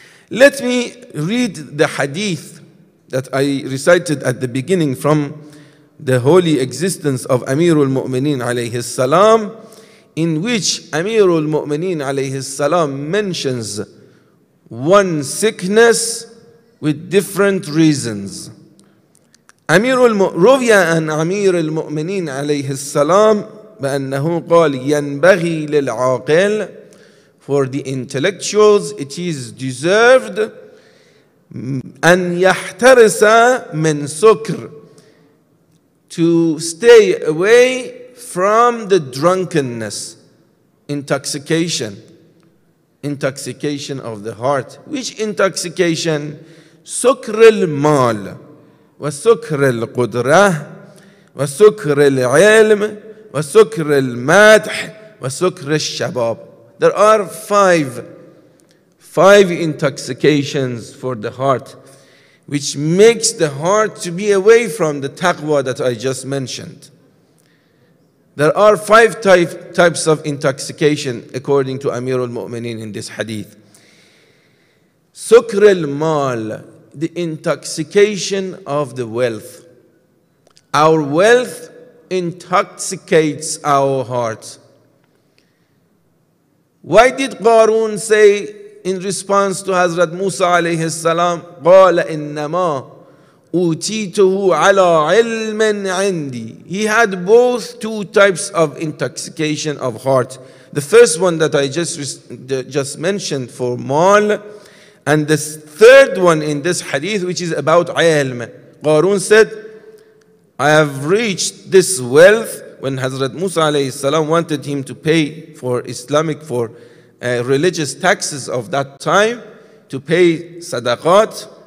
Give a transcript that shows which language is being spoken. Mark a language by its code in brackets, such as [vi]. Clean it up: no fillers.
[en] Let me read the hadith that I recited at the beginning from the holy existence of Amirul Mu'mineen alayhi salam, in which Amirul Mu'mineen alayhi salam mentions one sickness with different reasons. [ar] روي عن أمير المؤمنين عليه السلام بأنه قال ينبغي للعاقل, [en] for the intellectuals it is deserved, [ar] أن يحترس من سكر, [en] to stay away from the drunkenness, intoxication of the heart. Which intoxication? [ar] سكر المال وسكر القدرة وسكر العلم وسكر المدح وسكر الشباب. [en] There are five intoxications for the heart, which makes the heart to be away from the taqwa that I just mentioned. There are five types of intoxication according to Amir al-Mu'mineen in this hadith. [ar] سكر المال, [en] the intoxication of the wealth. Our wealth intoxicates our hearts. Why did Qarun say in response to Hazrat Musa alayhi salam, [ar] قال إنما أوتيته على علم عندي. [en] He had both two types of intoxication of heart. The first one that I just mentioned for mal, and the third one in this hadith, which is about علم. Qarun said, I have reached this wealth when Hazrat Musa alayhi salam wanted him to pay for Islamic, for religious taxes of that time, to pay sadaqat.